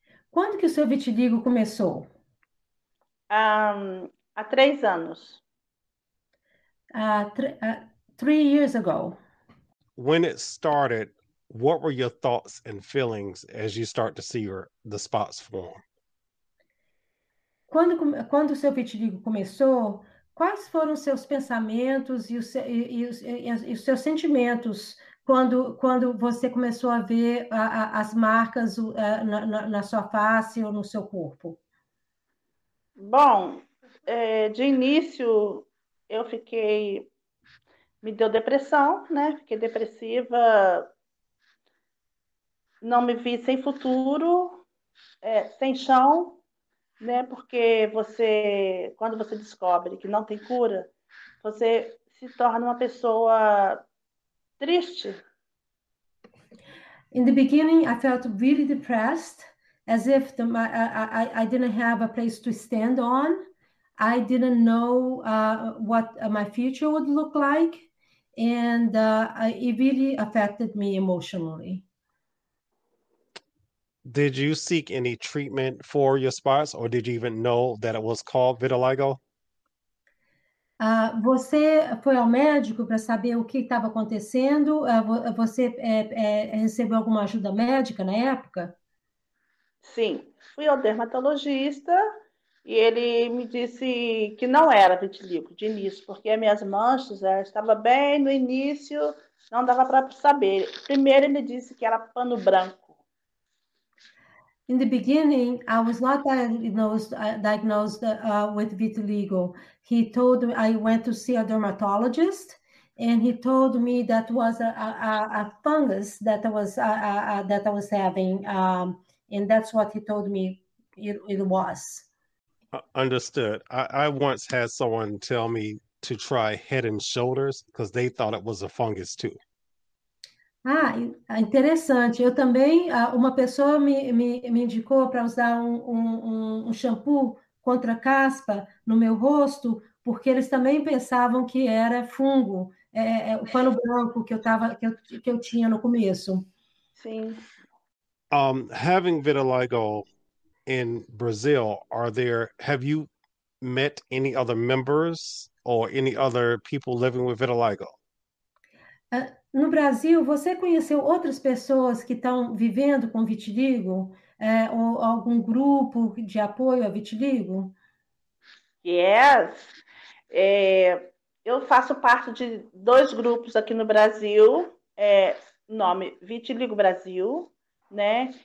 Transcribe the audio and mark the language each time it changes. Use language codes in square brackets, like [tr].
[pt] Quando que o seu vitiligo começou? Há 3 anos. [en] Three years ago. When it started, what were your thoughts and feelings as you start to see the spots form? [pt] Quando o seu vitiligo começou, quais foram seus pensamentos e os seus sentimentos quando você começou a ver as marcas na sua face ou no seu corpo? Bom, de início eu fiquei... Me deu depressão, né? Fiquei depressiva, não me vi sem futuro, sem chão, né? Porque você, quando você descobre que não tem cura, você se torna uma pessoa triste. [en] In the beginning, I felt really depressed, as if I didn't have a place to stand on. I didn't know what my future would look like. And it really affected me emotionally. Did you seek any treatment for your spots, or did you even know that it was called vitiligo? [pt] Você foi ao médico para saber o que estava acontecendo? Você recebeu alguma ajuda médica na época? Sim, fui ao dermatologista e ele me disse que não era vitiligo de início, porque as minhas manchas estavam bem no início, não dava para saber. Primeiro ele disse que era pano branco. [en] In the beginning, I was not diagnosed with vitiligo. He told me, I went to see a dermatologist, and he told me that was a fungus that I was having, and that's what he told me it was. Understood. I once had someone tell me to try Head and Shoulders because they thought it was a fungus too. [pt] Ah, interessante. Eu também, uma pessoa me indicou para usar um shampoo contra caspa no meu rosto porque eles também pensavam que era fungo, o pano branco que eu tinha no começo. Sim. [en] Having vitiligo in Brazil, have you met any other members or any other people living with vitiligo? [pt] No Brasil, você conheceu outras pessoas que estão vivendo com vitiligo? ou algum grupo de apoio à vitiligo? [en] Yes. [pt] Eu faço parte de dois grupos aqui no Brasil, nome Vitiligo Brasil, né?